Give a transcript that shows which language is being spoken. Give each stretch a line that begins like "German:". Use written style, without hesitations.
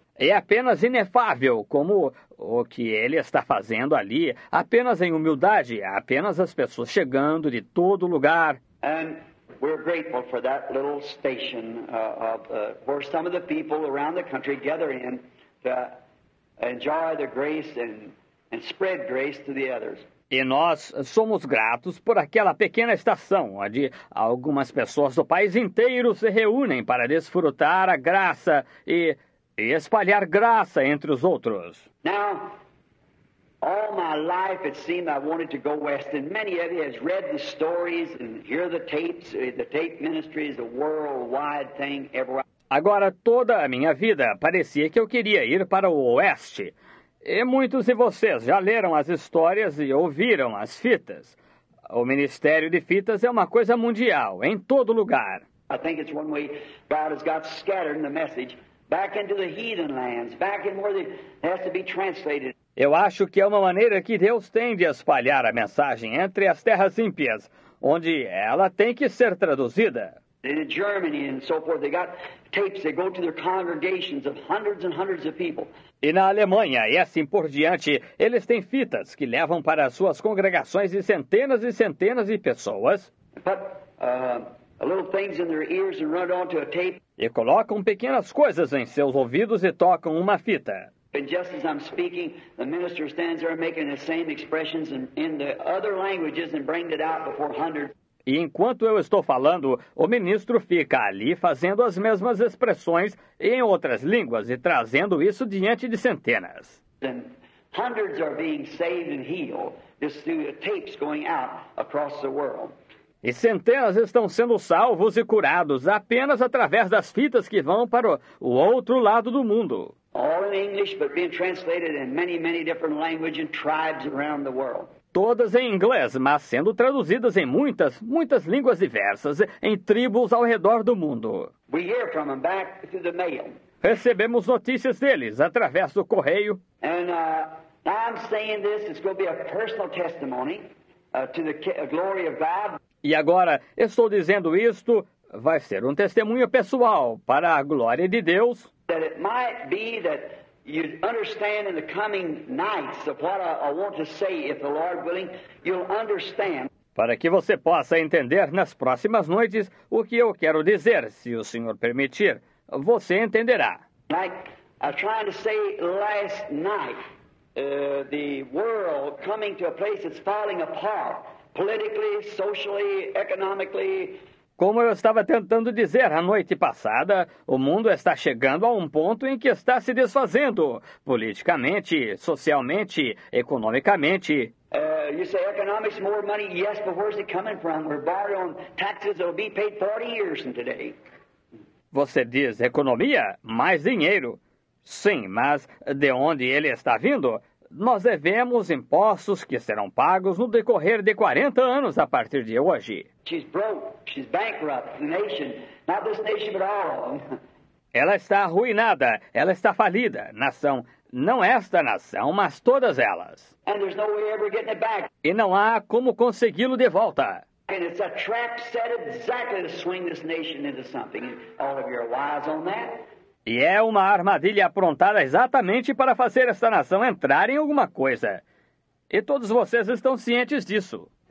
Portuguese: É apenas inefável como o que ele está fazendo ali, apenas em humildade, apenas as pessoas chegando de todo lugar.
English: And we're grateful for that little station where some of the people around the country gather in to enjoy the grace and spread grace to the others.
Portuguese: E nós somos gratos por aquela pequena estação onde algumas pessoas do país inteiro se reúnem para desfrutar a graça e espalhar graça entre os outros.
English: Now, all my life it seemed I wanted to go west, and many of you have read the stories and hear the tapes. The tape ministry is a worldwide thing everywhere.
Portuguese: Agora, toda a minha vida parecia que eu queria ir para o oeste. E muitos de vocês já leram as histórias e ouviram as fitas. O ministério de fitas é uma coisa mundial, em todo lugar.
English: I think it's one way God has got scattered in the message back into the heathen lands, back in where it has to be translated.
Portuguese: Eu acho que é uma maneira que Deus tem de espalhar a mensagem entre as terras ímpias, onde ela tem que ser traduzida.
English: In Germany and so forth, they got tapes that go to their congregations of hundreds and hundreds of people.
Portuguese: E na Alemanha e assim por diante, eles têm fitas que levam para suas congregações de centenas e centenas de pessoas.
English: But little things in their ears and run onto a tape.
Portuguese: E colocam pequenas coisas em seus ouvidos e tocam uma fita.
English: And just as I'm speaking, the minister stands there making the same expressions in the other languages and brings it out before hundreds.
Portuguese: E enquanto eu estou falando, o ministro fica ali fazendo as mesmas expressões em outras línguas e trazendo isso diante de centenas.
English: And hundreds are being saved and healed just through the tapes going out across the world.
Portuguese: E centenas estão sendo salvos e curados apenas através das fitas que vão para o outro lado do mundo.
English: All in English, but being translated in many, many different languages and tribes around the world.
Portuguese: Todas em inglês, mas sendo traduzidas em muitas, muitas línguas diversas, em tribos ao redor do mundo.
English: We hear from them back through the mail.
Portuguese: Recebemos notícias deles através do correio.
English: And I'm saying this, it's going to be a personal testimony to the glory of God.
Portuguese: E agora, estou dizendo isto, vai ser um testemunho pessoal para a glória de Deus.
English: That it might be that you'd understand in the coming nights of what I want to say, if the Lord willing, you'll understand.
Portuguese: Para que você possa entender nas próximas noites o que eu quero dizer, se o Senhor permitir, você entenderá.
English: Like I was trying to say last night, the world coming to a place that's falling apart. Politically, socially, economically.
Portuguese: Como eu estava tentando dizer a noite passada, o mundo está chegando a um ponto em que está se desfazendo, politicamente, socialmente, economicamente.
English: You say economics more money? Yes, but where's it coming from? We're borrowed on taxes that'll be paid 40 years from today.
Portuguese: Você diz economia? Mais dinheiro. Sim, mas de onde ele está vindo? Nós devemos impostos que serão pagos no decorrer de 40 anos a partir de hoje.
English: She's broke. She's bankrupt. The nation. Not this nation, but all.
Portuguese: Ela está arruinada. Ela está falida. Nação. Não esta nação, mas todas elas.
English: And there's no way ever getting it back.
Portuguese: E não há como consegui-lo de volta.
English: And it's a trap set exactly to swing this nation into something. All of you are wise on that.
Portuguese: E é uma armadilha aprontada exatamente para fazer esta nação entrar em alguma coisa. E todos vocês estão cientes disso.